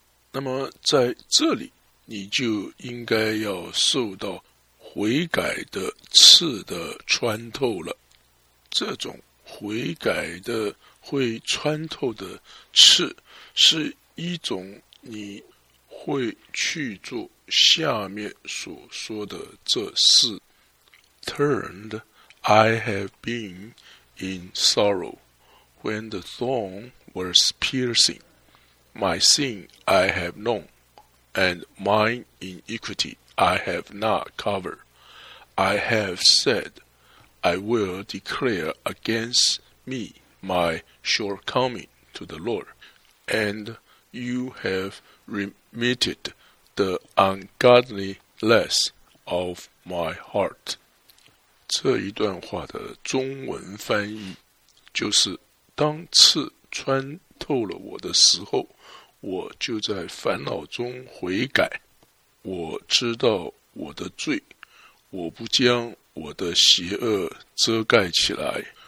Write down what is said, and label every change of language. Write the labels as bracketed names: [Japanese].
[Chinese] 那么在这里你就应该要受到悔改的刺的穿透了。这种悔改的会穿透的刺是一种你会去做下面所说的这事。 [English] Turned, I have been in sorrow when the thorn was piercing. My sin I have known, and my iniquity I have not covered. I have said, I will declare against me my shortcoming to the Lord, and you have remitted the ungodliness of my heart. [Chinese] 这一段话的中文翻译就是，当刺穿透了我的时候，我就在烦恼中悔改。我知道我的罪，我不将我的邪恶遮盖起来。